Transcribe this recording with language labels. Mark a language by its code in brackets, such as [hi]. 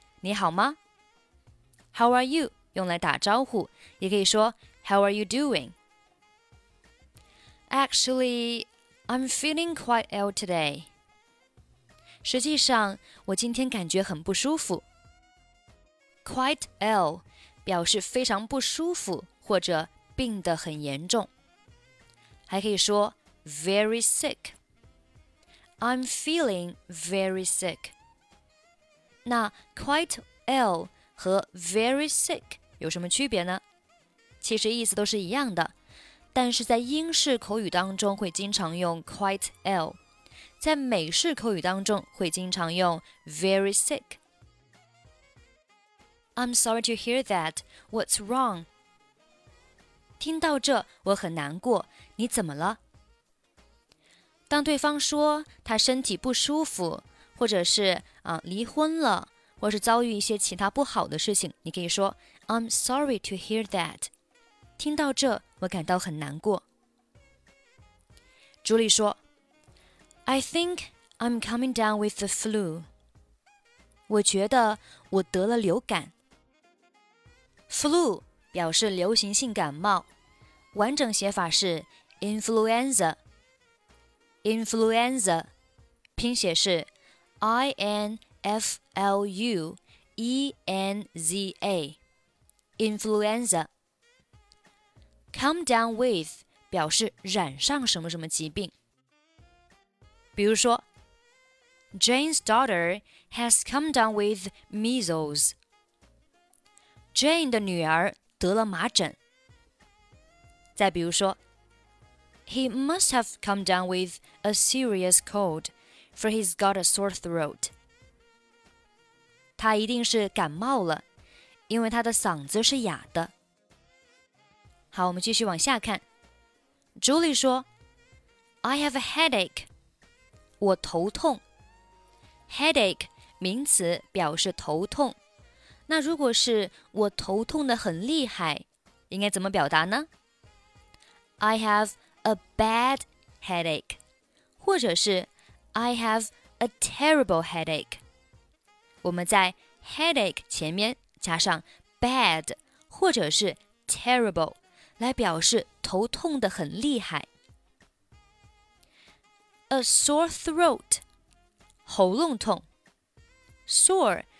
[zh] 你好吗 [en] ?How are you? [zh] 用来打招呼，也可以说 [en] How are you doing? Actually, I'm feeling quite ill today. [zh] 实际上，我今天感觉很不舒服。 [en] Quite ill [zh] 表示非常不舒服，或者病得很严重，还可以说 [en] very sick. I'm feeling very sick. [zh] 那 [en] quite ill [zh] 和 [en] very sick [zh] 有什么区别呢？其实意思都是一样的，但是在英式口语当中会经常用 [en] quite ill， [zh] 在美式口语当中会经常用 [en] very sick. I'm sorry to hear that. What's wrong? [zh] 听到这我很难过，你怎么了？当对方说他身体不舒服，或者是离婚了，或是遭遇一些其他不好的事情，你可以说 [en] I'm sorry to hear that. [zh] 听到这我感到很难过。朱莉说 [en] I think I'm coming down with the flu. [zh] 我觉得我得了流感。 Flu表示流行性感冒，完整写法是 influenza。 influenza 拼写是 I-N-F-L-U-E-N-Z-A。 [en] influenza。 Come down with [zh] 表示染上什么什么疾病。比如说 [en] ，Jane's daughter has come down with measles。 [zh] Jane 的女儿。得了麻疹。再比如说 [en] He must have come down with a serious cold, for he's got a sore throat. [zh] 他一定是感冒了，因为他的嗓子是哑的。好，我们继续往下看。Julie 说 [en] I have a headache. [zh] 我头痛。 Headache, 名词表示头痛。那如果是我头痛得很厉害，应该怎么表达呢？ [en] I have a bad headache. [zh] 或者是 [en] I have a terrible headache. [zh] 我们在 headache 前面加上 bad 或者是 terrible 来表示头痛得很厉害。 [en] A sore throat. [zh] 喉咙痛。Sore.